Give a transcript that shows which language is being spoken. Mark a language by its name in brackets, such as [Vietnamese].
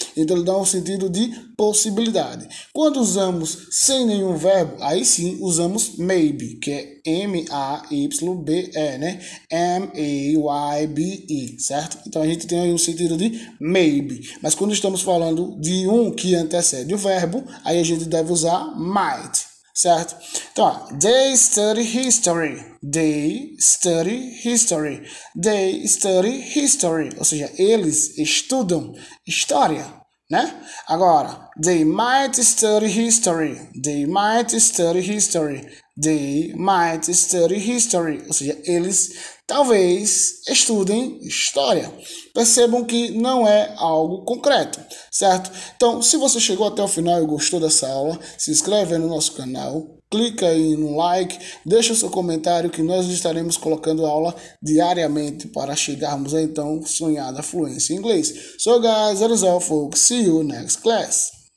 [Portuguese] Então, ele dá um sentido de possibilidade. Quando usamos sem nenhum verbo, aí sim usamos maybe, que é M-A-Y-B-E, né? M-A-Y-B-E, certo? Então a gente tem aí um sentido de maybe. Mas quando estamos falando de um que antecede o verbo, aí a gente deve usar might, certo? [English] Então, they study history. They study history. They study history. [Portuguese] Ou seja, eles estudam história. Né? [English] Agora, they might study history. They might study history. They might study history. [Portuguese] Ou seja, eles talvez estudem história. Percebam que não é algo concreto, certo? Então, se você chegou até o final e gostou dessa aula, se inscreve no nosso canal. Clica aí no like, deixa o seu comentário que nós estaremos colocando aula diariamente para chegarmos a então sonhada fluência em inglês. [English] So guys, that is all folks. See you next class.